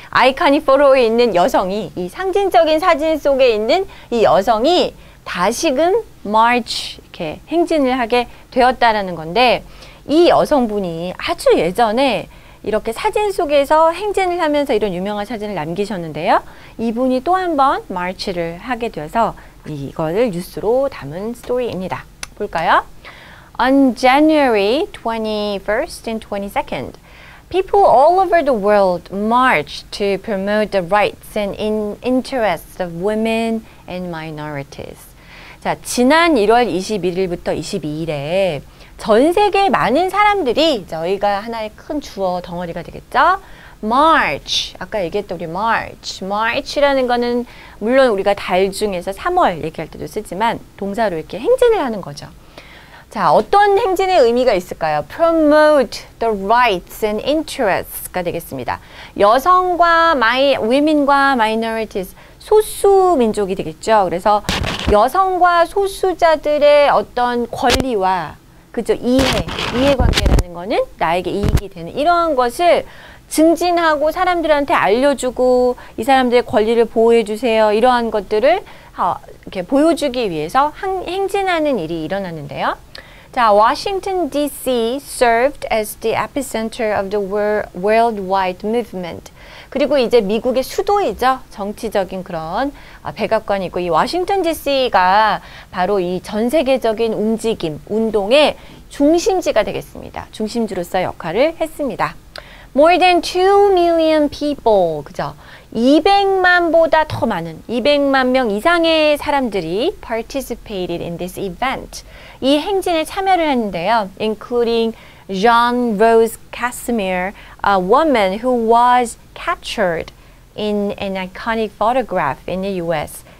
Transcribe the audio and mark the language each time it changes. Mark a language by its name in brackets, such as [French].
[Korean] 아이코닉 포토에 있는 여성이 이 상징적인 사진 속에 있는 이 여성이 다시금 march 이렇게 행진을 하게 되었다라는 건데 이 여성분이 아주 예전에 이렇게 사진 속에서 행진을 하면서 이런 유명한 사진을 남기셨는데요. 이분이 또 한번 march를 하게 되어서 이거를 뉴스로 담은 스토리입니다. 볼까요? [English] On January 21st and 22nd, people all over the world marched to promote the rights and in interests of women and minorities. [Korean] 자, 지난 1월 21일부터 22일에 전 세계 많은 사람들이 저희가 하나의 큰 주어 덩어리가 되겠죠? March, 아까 얘기했던 우리 March. March라는 거는 물론 우리가 달 중에서 3월 얘기할 때도 쓰지만 동사로 이렇게 행진을 하는 거죠. 자, 어떤 행진의 의미가 있을까요? [English] Promote the rights and interests가 [Korean] 되겠습니다. 여성과 women과 minorities, 소수 민족이 되겠죠. 그래서 여성과 소수자들의 어떤 권리와 그죠 이해관계라는 거는 나에게 이익이 되는 이러한 것을 증진하고 사람들한테 알려주고 이 사람들의 권리를 보호해주세요. 이러한 것들을 이렇게 보여주기 위해서 행진하는 일이 일어났는데요. [English] 자, Washington DC served as the epicenter of the worldwide movement. [Korean] 그리고 이제 미국의 수도이죠. 정치적인 그런 백악관이 있고 이 Washington DC가 바로 이 전 세계적인 움직임, 운동의 중심지가 되겠습니다. 중심지로서 역할을 했습니다. [English] More than 2 million people, [Korean] 그죠? 200만보다 더 많은, 200만 명 이상의 사람들이 [English] participated in this event. [Korean] 이 행진에 참여를 했는데요. [English] Including Jean Rose Casimir, a woman who was captured in an iconic photograph in the U.S.